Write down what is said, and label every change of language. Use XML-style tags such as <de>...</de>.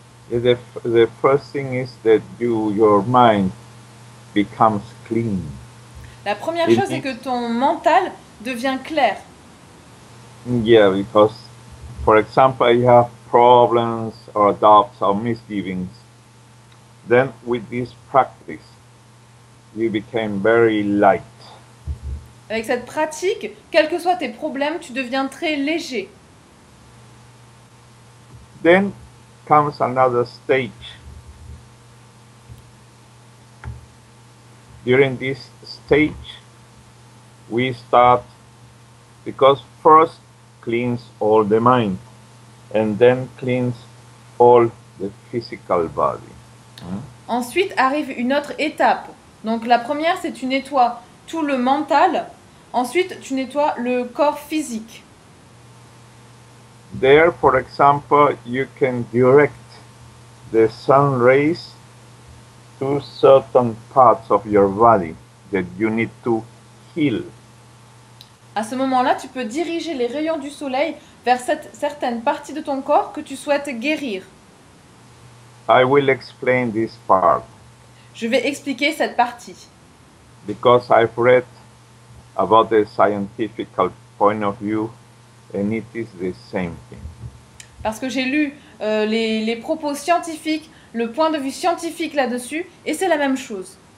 <en>The first thing is that your mind becomes clean.</en> <fr>La première chose est que ton mental devient clair.</fr> <en>Yeah, because, for example, you have problems or doubts or misgivings. Then, with this practice, you became very light.</en> <fr>Avec cette pratique, quels que soient tes problèmes, tu deviens très léger.</fr> <en>Then comes another stage. During this stage, we start because first cleans all the mind and then cleans all the physical body.</en> <fr>Ensuite arrive une autre étape. Donc la première, c'est tu nettoies tout le mental. Ensuite, tu nettoies le corps physique.</fr> <en>There, for example, you can direct the sun rays to certain parts of your body that you need to heal.</en> <fr>À ce moment-là, tu peux diriger les rayons du soleil vers certaines parties de ton corps que tu souhaites guérir.</fr> <en>I will explain this part.</en> <fr>Je vais expliquer cette partie.</fr> <en>Because I've read about the scientific point of view and it is the same thing.</en> <fr>Parce que j'ai lu les propos scientifiques, le point de vue scientifique là-dessus et c'est la même chose.</fr>